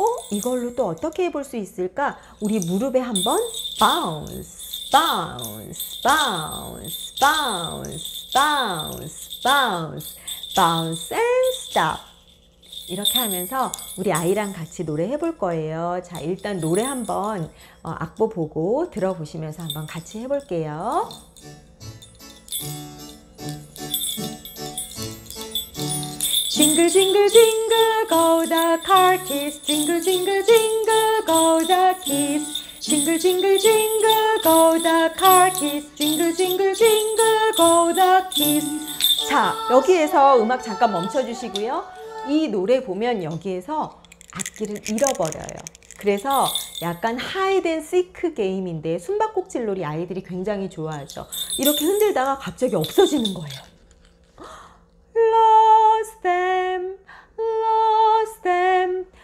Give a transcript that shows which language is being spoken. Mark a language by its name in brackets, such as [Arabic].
[Korean] 이걸로 또 어떻게 해볼 수 있을까? 우리 무릎에 한번 바운스, 바운스, 바운스, 바운스, 바운스, 바운스, 바운스 앤 스탑. 이렇게 하면서 우리 아이랑 같이 노래해 볼 거예요. 자, 일단 노래 한번 악보 보고 들어보시면서 한번 같이 해볼게요. 징글징글징글 [English] go the car keys [Korean] 징글징글징글 [English] go the keys [Korean] 징글징글징글 go the car keys 징글징글징글 go the keys 자, 여기에서 음악 잠깐 멈춰 주시고요. 이 노래 보면 여기에서 악기를 잃어버려요. 그래서 약간 하이드 앤 시크 게임인데 숨바꼭질 놀이 아이들이 굉장히 좋아하죠. 이렇게 흔들다가 갑자기 없어지는 거예요. [English] Lost them, lost them.